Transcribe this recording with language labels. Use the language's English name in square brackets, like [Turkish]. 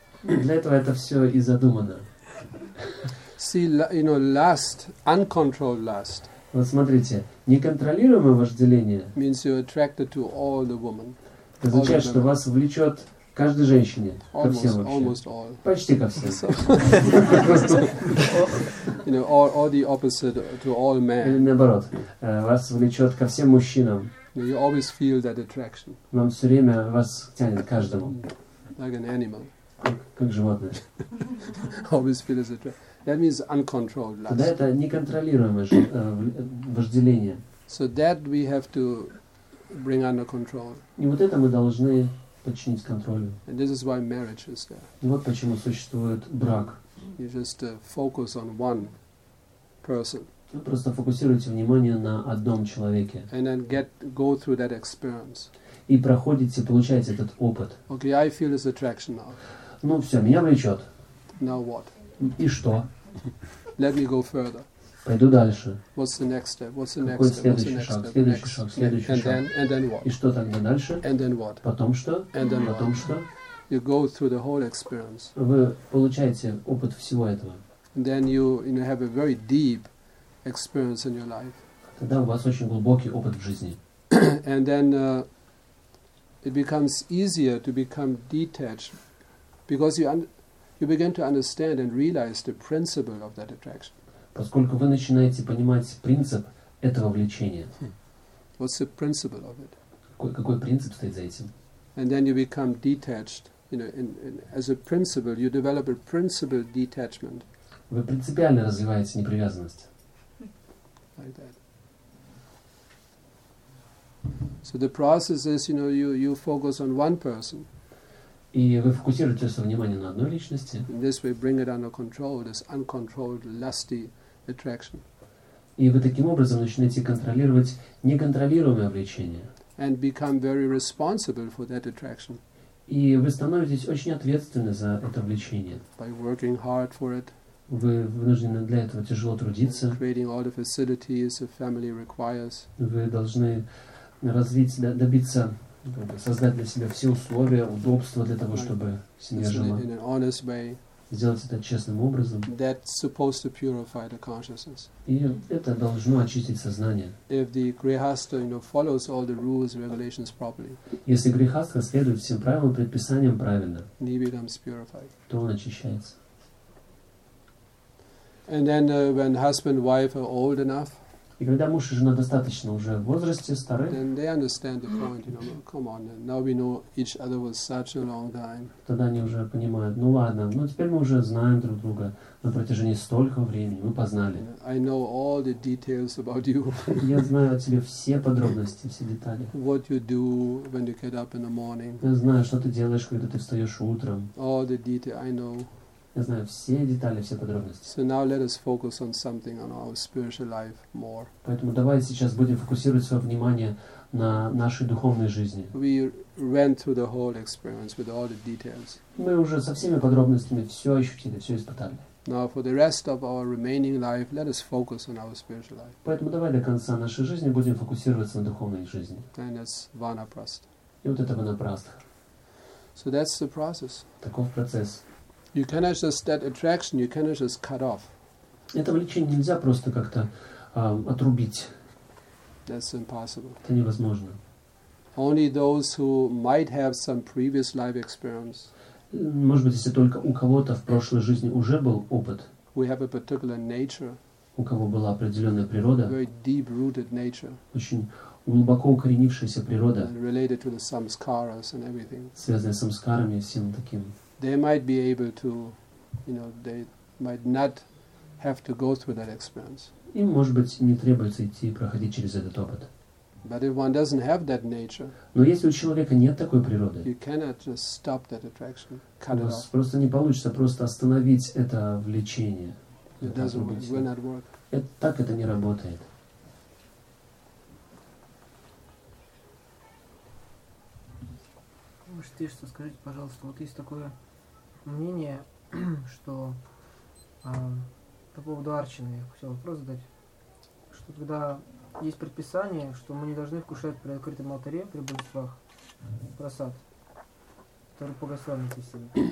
[Russian] Для этого это все и задумано. [English] See, you know, lust, uncontrolled lust. [Russian] Вот смотрите, неконтролируемое вожделение. [English] Means you're attracted to all the women. [Russian] Это означает, что вас влечет каждой женщине, ко всем вообще. Почти ко всем. [English] You know, all the opposite to all men. [Russian] Или наоборот, вас влечет ко всем мужчинам. [English] You always feel that attraction. [Russian] Вам все время вас тянет к каждому. [English] Like an animal. [Russian] Как животное. [English] Always feel as attraction. That means uncontrolled lust. [Russian] Тогда это неконтролируемое вожделение. [English] So that we have to bring under control. [Russian] И вот это мы должны подчинить контролю. [English] And this is why marriage is there. [Russian] И вот почему существует брак. [English] You just focus on one person. [Russian] Вы просто фокусируете внимание на одном человеке. [English] And then go through that experience. [Russian] И проходите, получаете этот опыт. [English] Okay, I feel this attraction now. [Russian] Ну все, меня влечет. [English] Now what? [Russian] И что? [English] Let me go further. [Russian] Пойду дальше. [English] What's the next step? What's the [Russian] Какой [English] next step? [Russian] Следующий шаг? Следующий [English] and [Russian] шаг. [English] And then what? [Russian] И что тогда дальше? [English] And then what? [Russian] Потом что? [English] And then [Russian] потом [English] what? [Russian] Что? [English] You go through the whole experience. [Russian] Вы получаете опыт всего этого. [English] And then you have a very deep experience in your life. [Russian] Тогда у вас очень глубокий опыт в жизни. [English] And then it becomes easier to become detached because you begin to understand and realize the principle of that attraction. [Russian] Поскольку вы начинаете понимать принцип этого влечения. [English] What's the principle of it? [Russian] Какой принцип стоит за этим? [English] And then you become detached, you know, in as a principle, you develop a principle detachment. [Russian] Вы принципиально развиваете непривязанность. [English] Like that. So the process is, you know, you focus on one person. [Russian] И вы фокусируете свое внимание на одной личности. [English] In this way, bring it under control, this uncontrolled, lusty attraction. [Russian] И вы таким образом начинаете контролировать неконтролируемое влечение. [English] And become very responsible for that attraction. [Russian] И вы становитесь очень ответственны за это влечение. [English] By working hard for it. [Russian] Вы вынуждены для этого тяжело трудиться. [English] Creating all the facilities a family requires. [Russian] Вы должны развить, добиться, создать для себя все условия, удобства для того, чтобы семья жила. [English] In an honest way. [Russian] Сделать это честным образом. [English] That's supposed to purify the consciousness. [Russian] И это должно очистить сознание. [English] If the grihastha, you know, follows all the rules and regulations properly. [Russian] Если грихастха следует всем правилам и предписаниям правильно, [English] he becomes purified. [Russian] То он очищается. [English] And then when husband and wife are old enough, [Russian] и когда муж и жена достаточно уже в возрасте, стары, [English] then they understand the point, you know, come on, now we know each other for such a long time. [Russian] Тогда они уже понимают, ну ладно, ну теперь мы уже знаем друг друга на протяжении столько времени, мы познали. [English] I know all the details about you. [Russian] Я знаю о тебе все подробности, все детали. [English] What you do when you get up in the morning. [Russian] Я знаю, что ты делаешь, когда ты встаешь утром. [English] All the details, I know. [Russian] Я знаю все детали, все подробности. [English] So now let us focus on something, on our spiritual life more. [Russian] Поэтому давайте сейчас будем фокусировать свое внимание на нашей духовной жизни. [English] We went through the whole experience with all the details. [Russian] Мы уже со всеми подробностями все ощутили, все испытали. [English] Now for the rest of our remaining life, let us focus on our spiritual life. [Russian] Поэтому давай до конца нашей жизни будем фокусироваться на духовной жизни. [English] And that's vanaprastha. [Russian] И вот это ванапрастха. [English] So that's the process. [Russian] Таков процесс. [English] You cannot just that attraction. You cannot just cut off. [Russian] Это влечение нельзя просто как-то отрубить. [English] That's impossible. [Russian] Это невозможно. [English] Only those who might have some previous life experience. [Russian] Может быть, если только у кого-то в прошлой жизни уже был опыт. [English] We have a particular nature. [Russian] У кого была определенная природа. [English] Very deep-rooted nature. [Russian] Очень глубоко укоренившаяся природа. [English] And related to the samskaras and everything. [Russian] Связанная с самскарами и всем таким. [English] They might be able to, you know, they might not have to go through that experience. [Russian] Им, может быть, не требуется идти и проходить через этот опыт. [English] But if one doesn't have that nature, [Russian] но если у человека нет такой природы, [English] you cannot just stop that attraction, cut it off. [Russian] Просто не получится просто остановить это влечение. [English] It doesn't work. Will not work. [Russian] Так это не работает. Можете что скажите, пожалуйста, вот есть такое мнение, что по поводу арчины я хотел вопрос задать, что когда есть предписание, что мы не должны вкушать при открытом алтаре, при божествах, просад, который благословен истинно.